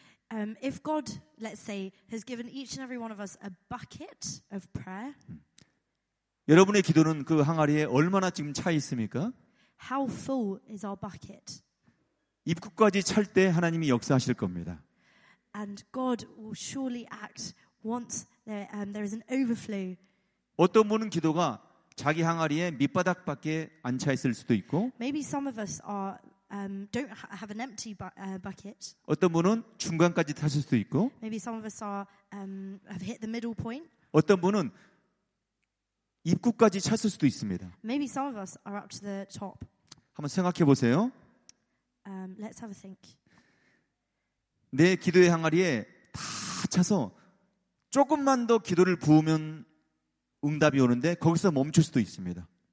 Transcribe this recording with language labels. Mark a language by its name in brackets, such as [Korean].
[English] If God, let's say, has given each and every one of us a bucket of prayer. [Korean] 여러분의 기도는 그 항아리에 얼마나 지금 차 있습니까? [English] How full is our bucket? [Korean] 입구까지 찰 때 하나님이 역사하실 겁니다. [English] And God will surely act once there is an overflow. [Korean] 어떤 분은 기도가 자기 항아리에 밑바닥밖에 안 차 있을 수도 있고 [English] Maybe some of us are don't have an empty bucket. [Korean] 어떤 분은 중간까지 타실 수도 있고 [English] Maybe some of us are have hit the middle point. [Korean] 어떤 분은 입구까지 찼을 수도 있습니다. [English] Maybe some of us are up to the top. [Korean] 한번 생각해 보세요. [English] Let's have a think. [Korean] 내 기도의 항아리에 다 차서 조금만 더 기도를 부으면 응답이 오는데 거기서 멈출 수도 있습니다.